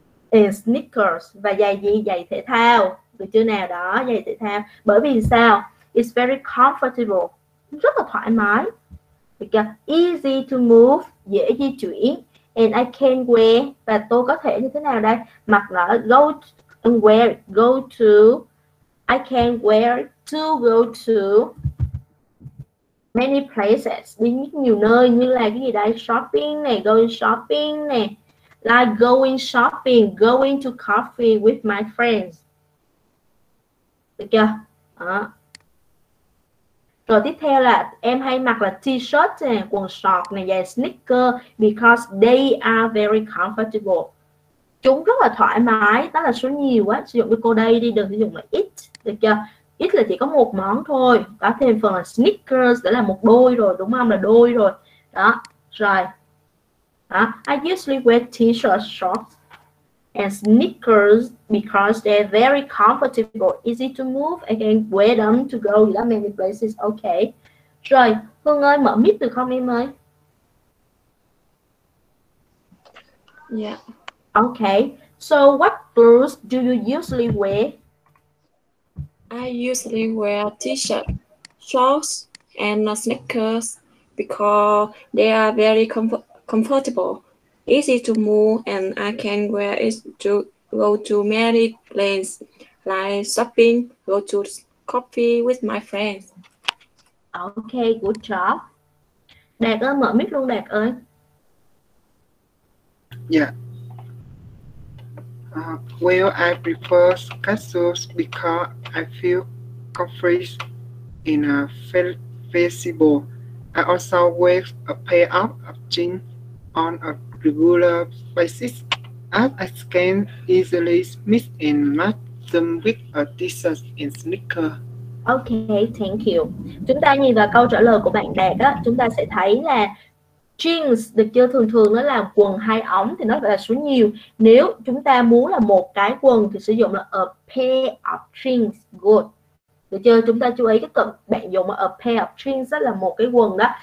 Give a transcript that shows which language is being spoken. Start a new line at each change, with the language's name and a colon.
Vietnamese: And sneakers và giày gì? Giày thể thao, được chưa nào đó? Giày thể thao. Bởi vì sao?
English: It's very comfortable,
Vietnamese: rất là thoải mái, được chưa?
English: Easy to move,
Vietnamese: dễ di chuyển.
English: And I can wear,
Vietnamese: và tôi có thể như thế nào đây? Mặc nó go
English: and where go to. I can where to go to many places.
Vietnamese: Đi nhiều nơi như là cái gì đây?
English: Shopping này, going shopping này. Like going shopping, going to coffee with my friends.
Vietnamese: Được chưa? Đó. Rồi tiếp theo là em hay mặc là t-shirt này, quần short này, giày sneaker
English: because they are very comfortable.
Vietnamese: Chúng rất là thoải mái, đó là số nhiều quá, sử dụng cái cô đây đi, đừng sử dụng là it, được chưa? It là chỉ có một món thôi, có thêm phần là sneakers, đó là một đôi rồi, đúng không? Là đôi rồi.
English: Đó, rồi. Đó. I usually wear t-shirt, shorts and sneakers because they're very comfortable, easy to move, I can wear them to go to many places. Okay.
Vietnamese: Rồi, Hương ơi, mở mic được không em ơi?
English: Yeah. Okay, so what clothes do you usually wear? I usually wear t-shirt, shorts, and sneakers because they are very comfortable, easy to move, and I can wear it to go to many places like shopping, go to coffee with my friends. Okay, good job.
Vietnamese: Đạt ơi, mở mic luôn Đạt ơi.
English: Yeah. Well, I prefer casuals because I feel comfortable in a flexible. I also wear a pair of jeans on a regular basis, as I can easily mix and match them with a t-shirt and sneaker. Okay, thank you.
Vietnamese: Chúng ta nhìn vào câu trả lời của bạn Đạt á, chúng ta sẽ thấy là jeans được chưa, thường thường nó là quần hai ống thì nó gọi là số nhiều. Nếu chúng ta muốn là một cái quần thì sử dụng là
English: a pair of jeans, good.
Vietnamese: Được chưa, chúng ta chú ý cái cụm bạn dùng là
English: a pair of jeans
Vietnamese: đó là một cái quần đó.